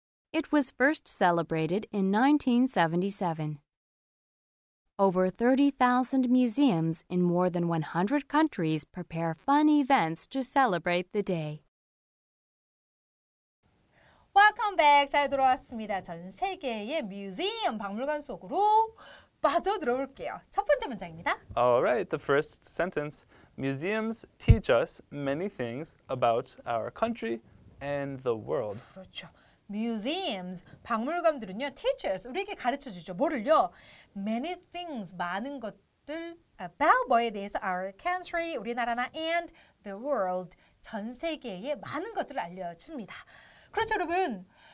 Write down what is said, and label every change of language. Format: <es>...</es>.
<en>It was first celebrated in 1977. Over 30,000 museums in more than 100 countries prepare fun events to celebrate the day. Welcome back.</en> <ko>잘 들어왔습니다. 전 세계의 뮤지엄 박물관 속으로 빠져들어 볼게요. 첫 번째 문장입니다.</ko> <en>All right. The first sentence. Museums teach us many things about our country and the world.</en> <ko>그렇죠. Museums, 박물관들은요,</ko> <en>teach us,</en> <ko>우리에게 가르쳐주죠. 뭐를요?</ko> <en>Many things,</en> <ko>많은 것들, about 뭐에 대해서</ko> <en>our country,</en> <ko>우리나라나</ko> <en>and the world,</en> <ko>전 세계에 많은 것들을 알려줍니다. 그렇죠, 여러분.</ko>